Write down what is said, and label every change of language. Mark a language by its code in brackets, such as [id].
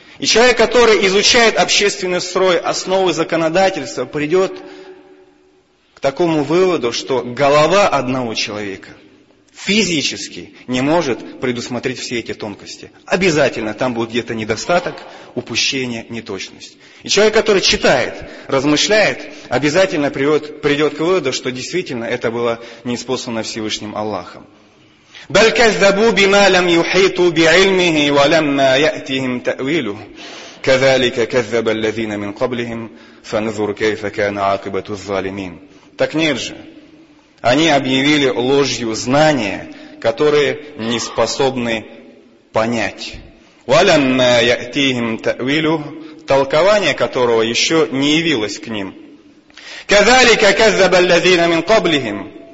[ru] И человек, который изучает общественный строй, основы законодательства, придет к такому выводу, что голова одного человека физически не может предусмотреть все эти тонкости. Обязательно там будет где-то недостаток, упущение, неточность. И человек, который читает, размышляет, обязательно придет к выводу, что действительно это было ниспослано Всевышним Аллахом. [ar] بل كذبوا بما لم يحيطوا بعلمه ولما يأتهم تأويله كذلك كذب الذين من قبلهم فانظر كيف كان عاقبة الظالمين. [ru] Так нет же, они объявили ложью знания, которые не способны понять. ولما يأتهم تأويله, толкование которого еще не явилось к ним. [ar] كذلك كذب الذين من قبلهم.